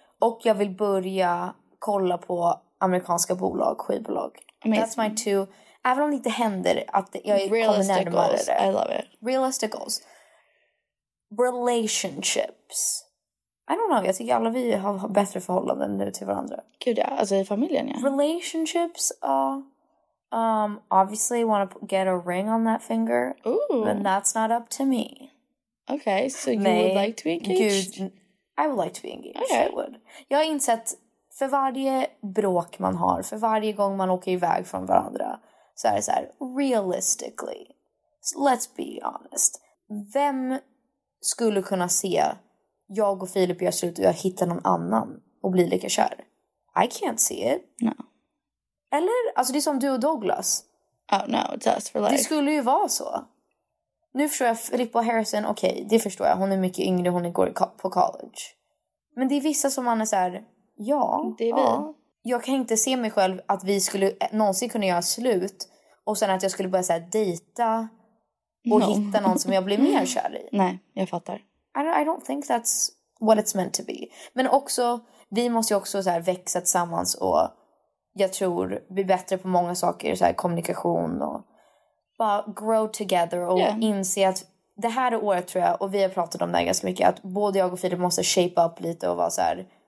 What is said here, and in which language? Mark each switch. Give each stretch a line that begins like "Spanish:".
Swedish: Och jag vill börja kolla på amerikanska bolag, skivbolag.
English: Amazing. That's my two.
Swedish: Även om det inte händer att jag är kommer närmare det.
English: I love it. Realistic goals. Relationships. I don't know.
Swedish: Jag tycker alla vi har bättre förhållanden nu till varandra. Gud ja, alltså i familjen ja.
English: Relationships, ja. Obviously want to get a ring on that finger. Ooh. But that's not up to me. Okay, so you would like to be engaged?
Swedish: Gud,
English: I would like to be engaged, okay. I would.
Swedish: Jag har insett, för varje bråk man har, för varje gång man åker iväg från varandra, så är det så här,
English: realistically, let's be honest.
Swedish: Vem skulle kunna se jag och Filip gör slut och jag hittar någon annan och blir lika kär?
English: I can't see it. No.
Swedish: Eller, alltså det är som du och Douglas.
English: Oh no, it's us for life.
Swedish: Det skulle ju vara så. Nu förstår jag Filippa Harrison, okej, okay, det förstår jag. Hon är mycket yngre, hon går på college. Men det är vissa som man är så här, ja. Det är vi. Ja. Jag kan inte se mig själv att vi skulle någonsin kunna göra slut. Och sen att jag skulle börja så här, dejta och hitta någon som jag blir mer kär i. Nej, jag fattar.
English: I don't think that's what it's meant to be.
Swedish: Men också, vi måste ju också så här, växa tillsammans. Och jag tror bli bättre på många saker, så här, kommunikation och... Bara
English: grow together
Swedish: och inse att det här året tror jag, och vi har pratat om det ganska mycket, att både jag och Filip måste shape up lite och vara så här.